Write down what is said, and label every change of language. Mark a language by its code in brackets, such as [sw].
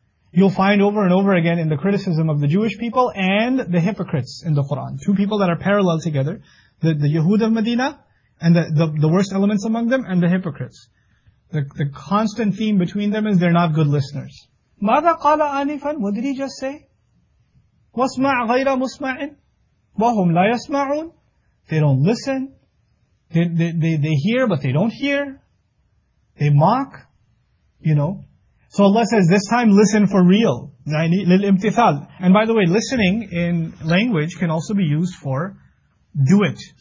[en] You'll find over and over again in the criticism of the Jewish people and the hypocrites in the Quran. Two people that are parallel together, the Yahud of Medina, and the worst elements among them, and the hypocrites. The constant theme between them is they're not good listeners. [ar] ماذا قال آنفاً? [en] What did he just say? [ar] واسمع غير مسمعين وهم لا يسمعون. [en] They don't listen. They hear, but they don't hear. They mock. You know. So Allah says, this time listen for real. [ar] للامتثال. [en] And by the way, listening in language can also be used for do it.